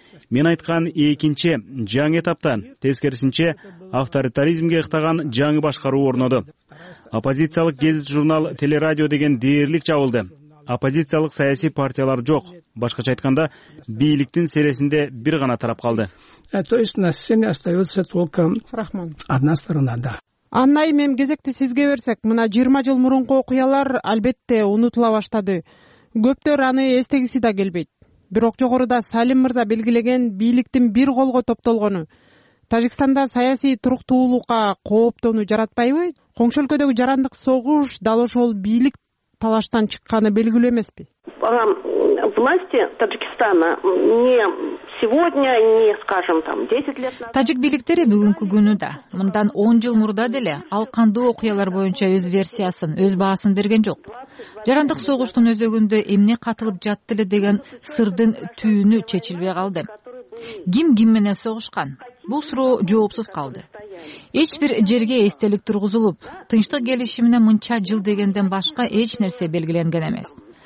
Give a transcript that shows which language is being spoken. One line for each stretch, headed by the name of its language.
Kyrgyz: Мен айткан экинчи жаңы этапта тескерисинче авторитаризмге ыктаган жаңы башкаруу орноду. Оппозициялык гезит журнал Телерадио деген дээрлик жабылды. Оппозициялык саясий партиялар жок. Башкача айтканда, бийликтин сересинде бир гана тарап калды.
Russian: То есть на сцене остается только Рахман. Одна сторона, да.
Kyrgyz: Анна, эми кезекти сизге берсек, мына 20 жыл мурунку окуялар албетте унутула баштады. Көптөр аны эстегиси да келбейт. Бирок жогоруда Салим мырза белгилеген бийликтин бир колго топтолгону Тажикстанда саясий туруктуулукка кооптонуу жаратпайбы? Коңшу өлкөдөгү жарандык согуш дал ошол бийлик талаштан чыкканы белгилүү эмеспи?
Russian: Власти Таджикистана не сегодня, не, скажем, там 10 лет назад.
Kyrgyz: Тажик бийликтери бүгүнкү күнү да, мындан 10 жыл мурда деле ал кандуу окуялар боюнча өз версиясын, өз баасын берген жок. Жарандык согуштун өзөгүндө эмне катылып жатты эле деген сырдын түйүнү чечилбей калды. Ким ким менен согушкан? Бул суроо жоопсуз калды. Эч бир жерге эстелик тургузулуп, тынчтык келишимине мынча жыл дегенден башка эч нерсе белгиленген эмес.